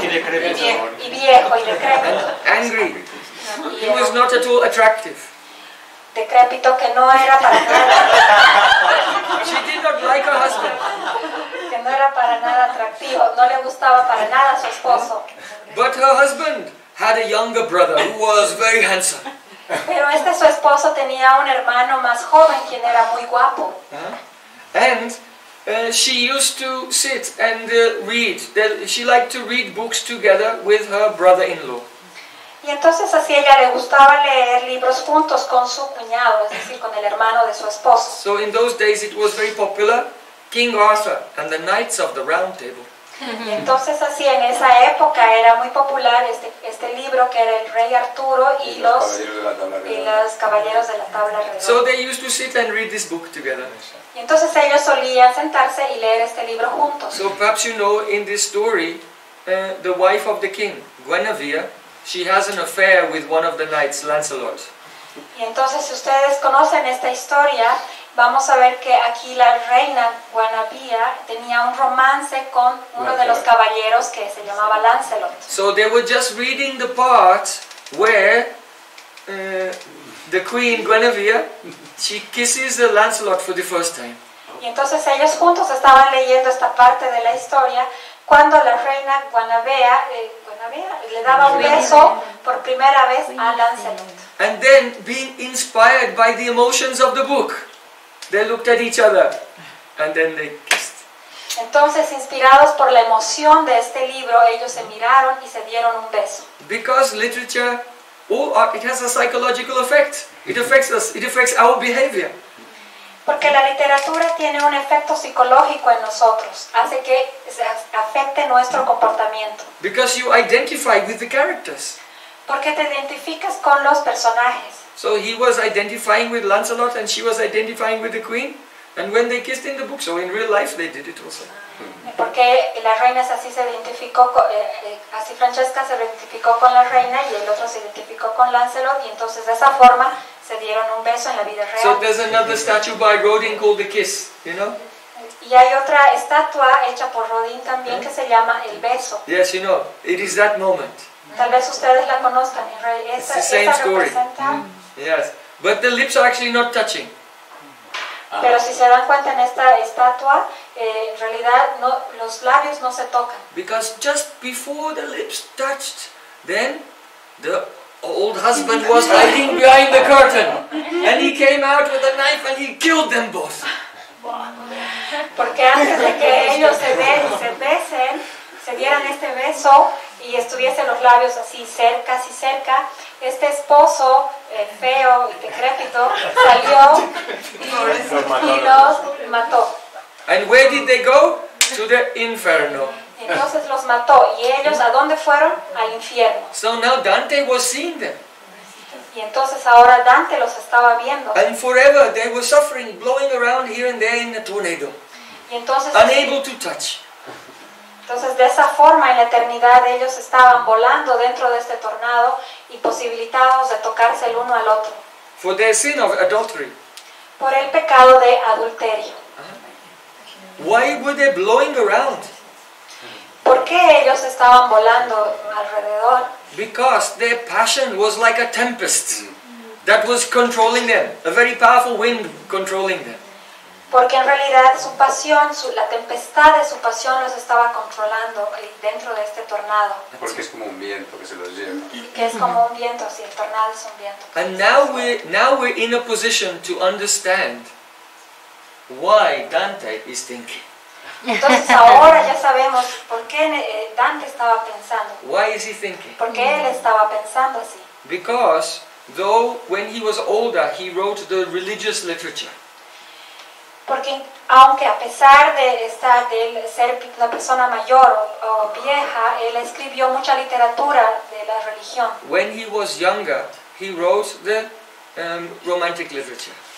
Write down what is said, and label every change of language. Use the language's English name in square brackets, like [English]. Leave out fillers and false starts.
[Spanish] Y viejo, y decrépito. [English] Angry. He was not at all attractive. [Spanish] Decrépito que no era para nada. [English] She did not like her husband. [Spanish] Que no era para nada atractivo. No le gustaba para nada a su esposo. [English] But her husband had a younger brother who was very handsome. [Spanish] Pero este su esposo tenía un hermano más joven quien era muy guapo. [English] And she used to sit and read. She liked to read books together with her brother-in-law. [Spanish] Y entonces así ella le gustaba leer libros juntos con su cuñado, es decir, con el hermano de su esposo. [English] So in those days it was very popular, King Arthur and the Knights of the Round Table. [Spanish] Y entonces así en esa época era muy popular este libro que era el Rey Arturo y los Caballeros de la Tabla Redonda. [English] So they used to sit and read this book together. [Spanish] Y entonces ellos solían sentarse y leer este libro juntos. [English] So perhaps you know in this story, the wife of the king, Guinevere, she has an affair with one of the knights, Lancelot. [Spanish] Y entonces, si ustedes conocen esta historia, vamos a ver que aquí la reina Guinevere tenía un romance con uno de los caballeros que se llamaba Lancelot. [English] So they were just reading the part where the queen Guinevere, she kisses the Lancelot for the first time. [Spanish] Y entonces ellos juntos estaban leyendo esta parte de la historia. Cuando la reina Guinevere le daba un beso por primera vez a Lancelot. [English] And then, being inspired by the emotions of the book, they looked at each other, and then they kissed. [Spanish] Entonces, inspirados por la emoción de este libro, ellos se miraron y se dieron un beso. [English] Because literature, it has a psychological effect. It affects us. It affects our behavior. [Spanish] Porque la literatura tiene un efecto psicológico en nosotros, hace que se afecte nuestro comportamiento. [English] Because you identify with the characters. [Spanish] Porque te identificas con los personajes. [English] So he was identifying with Lancelot and she was identifying with the queen, and when they kissed in the book, so in real life they did it also. [Spanish] Porque la reina así se identificó, así Francesca se identificó con la reina y el otro se identificó con Lancelot y entonces de esa forma se dieron un beso en la vida real. [English] So there's another statue by Rodin called The Kiss, you know? [Spanish] Y hay otra estatua hecha por Rodin también que se llama El Beso. [English] Yes, you know, it is that moment. [Spanish] Tal vez ustedes la conozcan, en realidad esa, [English] it's the same [Spanish] esa [English] story. [Spanish] Representa... [English] Yes, but the lips are actually not touching. [Spanish] Pero si se dan cuenta en esta estatua, en realidad no, los labios no se tocan. [English] Because just before the lips touched, then the old husband was hiding behind the curtain. And he came out with a knife and he killed them both. [Spanish] Porque antes de que ellos se den y se besen, se dieran este beso y estuviesen los labios así cerca, así cerca, este esposo feo y decrépito salió y los mató. [English] And where did they go? To the inferno. [Spanish] Entonces los mató. ¿Y ellos a dónde fueron? Al infierno. [English] So now Dante was seeing them. [Spanish] Y entonces ahora Dante los estaba viendo. [English] And forever they were suffering, blowing around here and there in a tornado. [Spanish] Y entonces, [English] unable to touch. [Spanish] Entonces de esa forma en la eternidad ellos estaban volando dentro de este tornado, imposibilitados de tocarse el uno al otro. [English] For their sin of adultery. [Spanish] Por el pecado de adulterio. [English] Why were they blowing around? [Spanish] ¿Por qué ellos estaban volando alrededor? [English] Because their passion was like a tempest. that was controlling them, a very powerful wind controlling them. [Spanish] Porque en realidad su pasión, su, la tempestad de su pasión los estaba controlando dentro de este tornado. Porque es como un viento que se los lleva. Que es como un viento, si el tornado es un viento. [English] And now we're in a position to understand why Dante is thinking. [Spanish] Entonces ahora ya sabemos por qué Dante estaba pensando. [English] Why is he thinking? [Spanish] ¿Por qué él estaba pensando así? [English] Because though when he was older he wrote the religious literature. [Spanish] Porque aunque a pesar de estar de ser una persona mayor o vieja, él escribió mucha literatura de la religión. [English] When he was younger, he wrote the romantic literature.